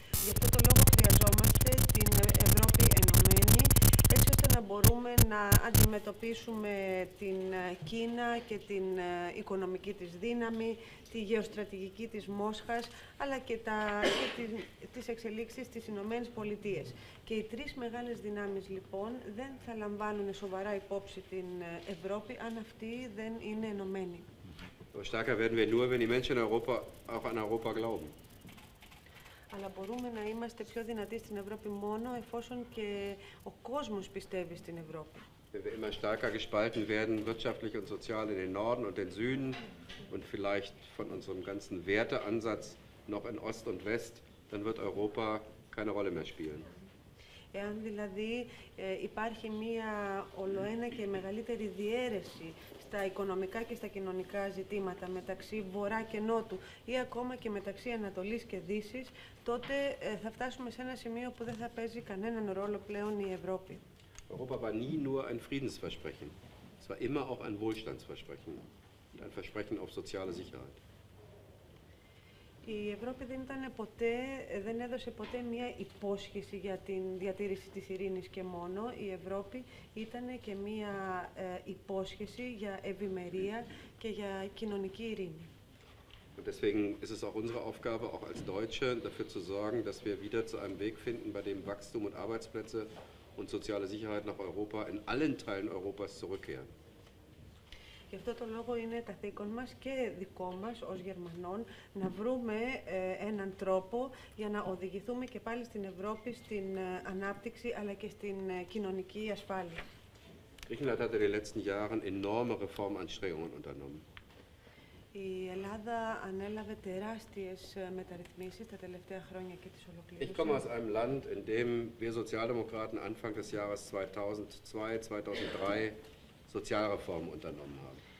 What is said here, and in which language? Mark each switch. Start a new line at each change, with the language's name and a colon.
Greek: Γι' αυτό το λόγο χρειαζόμαστε την Ευρώπη ενωμένη, έτσι ώστε να μπορούμε να αντιμετωπίσουμε την Κίνα και την οικονομική της δύναμη, τη γεωστρατηγική της Μόσχας, αλλά και, τις εξελίξεις στις Ηνωμένες Πολιτείες. Και οι τρεις μεγάλες δυνάμεις, λοιπόν, δεν θα λαμβάνουν σοβαρά υπόψη την Ευρώπη, αν αυτή δεν είναι ενωμένη.
German: Stärker werden wir nur, wenn die Menschen in Europa auch an Europa glauben.
Greek: Αλλά μπορούμε να είμαστε πιο δυνατοί στην Ευρώπη μόνο εφόσον και ο κόσμος πιστεύει στην Ευρώπη.
German: Wenn wir immer stärker gespalten werden, wirtschaftlich und sozial in den Norden und den Süden und vielleicht von unserem ganzen Werteansatz noch in Ost und West, dann wird Europa keine Rolle mehr spielen.
Greek: Εάν δηλαδή υπάρχει μία ολοένα και μεγαλύτερη διαίρεση στα οικονομικά και στα κοινωνικά ζητήματα μεταξύ Βορρά και Νότου ή ακόμα και μεταξύ Ανατολής και Δύσης, τότε θα φτάσουμε σε ένα σημείο που δεν θα παίζει κανέναν ρόλο πλέον η Ευρώπη.
German: Europa war nie nur ein Friedensversprechen. Es war immer auch ein Wohlstandsversprechen. Und ein Versprechen auf soziale Sicherheit.
Greek: Η Ευρώπη δεν ήταν ποτέ, δεν έδωσε ποτέ μία υπόσχεση για την διατήρηση της ειρήνης και μόνο. Η Ευρώπη ήταν και μία υπόσχεση για ευημερία και για κοινωνική ειρήνη.
German: Und deswegen ist es auch unsere Aufgabe, auch als Deutsche, dafür zu sorgen, dass wir wieder zu einem Weg finden, bei dem Wachstum und Arbeitsplätze und soziale Sicherheit nach Europa in allen Teilen Europas zurückkehren.
Greek: Γι' αυτό το λόγο είναι καθήκον μας και δικό μας ως Γερμανών να βρούμε έναν τρόπο για να οδηγηθούμε και πάλι στην Ευρώπη, στην ανάπτυξη αλλά και στην κοινωνική ασφάλεια.
German: Griechenland hat in den letzten Jahren enorme Reformanstrengungen unternommen.
Greek: Η Ελλάδα ανέλαβε τεράστιες μεταρρυθμίσεις τα τελευταία χρόνια και τις ολοκλήρωσε.
German: Ich komme aus einem Land, in dem wir Sozialdemokraten Anfang des Jahres 2002, 2003 Sozialreformen unternommen haben.